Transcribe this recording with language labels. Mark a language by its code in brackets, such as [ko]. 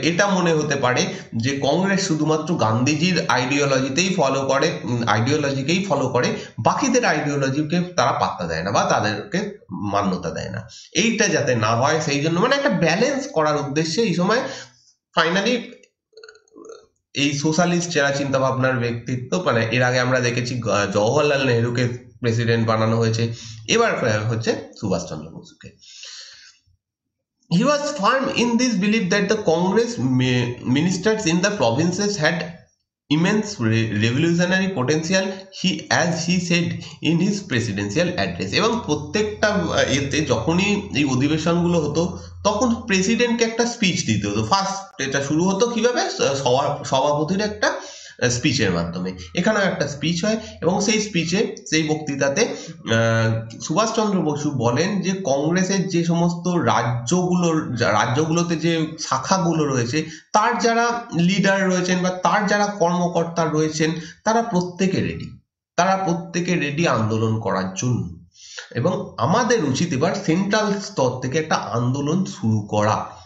[bn] এটা মনে হতে পারে যে কংগ্রেস শুধুমাত্র গান্ধীজির আইডিওলজিতেই ফলো করে, আইডিওলজিকেই ফলো করে, বাকিদের আইডিওলজিকে তারা পাত্তা দেয় না বা তাদেরকে মান্যতা দেয় না, এইটা যাতে না হয় সেই জন্য, মানে একটা ব্যালেন্স করার উদ্দেশ্যে এই সময় ফাইনালি এই সোশ্যালিস্ট চেরা চিন্তা ভাবনার ব্যক্তিত্ব, মানে এর আগে আমরা দেখেছি জওহরলাল নেহরুকে প্রেসিডেন্ট বানানো হয়েছে, এবার হচ্ছে সুভাষচন্দ্র বসুকে। [en] He was firm in this belief that the Congress ministers in the provinces had immense revolutionary potential. He, as he said in his presidential address. [bn] এবং প্রত্যেকটা এতে যখনই এই অধিবেশনগুলো হতো তখন প্রেসিডেন্টকে একটা স্পিচ দিতে হতো। ফার্স্ট এটা শুরু হতো কিভাবে, সভাপতির একটা স্পিচের মাধ্যমে। এখানেও একটা স্পিচ হয় এবং সেই স্পিচে সেই বক্তৃতাতে সুভাষচন্দ্র বসু বলেন যে কংগ্রেসের যে সমস্ত রাজ্যগুলোর রাজ্যগুলোতে যে শাখাগুলো রয়েছে তার যারা লিডার রয়েছেন বা তার যারা কর্মকর্তা রয়েছেন তারা প্রত্যেকে রেডি, তারা প্রত্যেকে রেডি আন্দোলন করার জন্য, এবং আমাদের উচিত এবার সেন্ট্রাল স্তর থেকে একটা আন্দোলন শুরু করা।